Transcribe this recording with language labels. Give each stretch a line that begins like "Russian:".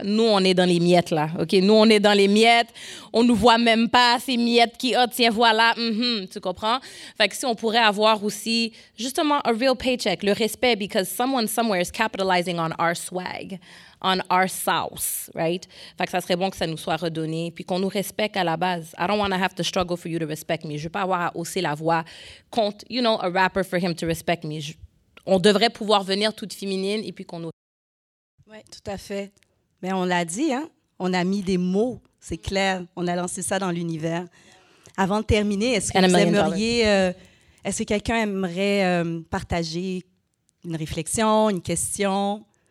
French: Nous, on est dans les miettes, là. OK? Nous, on est dans les miettes. On ne nous voit même pas ces miettes qui, oh, tiens, voilà, tu comprends? Fait que si on pourrait avoir aussi, justement,
English: a real paycheck,
French: le respect,
English: because someone somewhere is capitalizing on our swag, on our sauce, right?
French: Fait que ça serait bon que ça nous soit redonné, puis qu'on nous respecte à la base.
English: I don't want to have to struggle for you to respect me.
French: Je ne veux pas avoir à hausser la voix contre,
English: you know, a rapper for him to respect me.
French: On devrait pouvoir venir toute féminine et puis qu'on nous... Oui, tout à fait. Mais on l'a dit, hein? On a mis des mots, c'est clair. On a lancé ça dans l'univers. Avant de terminer, est-ce que vous aimeriez... est-ce que quelqu'un aimerait partager une réflexion, une question?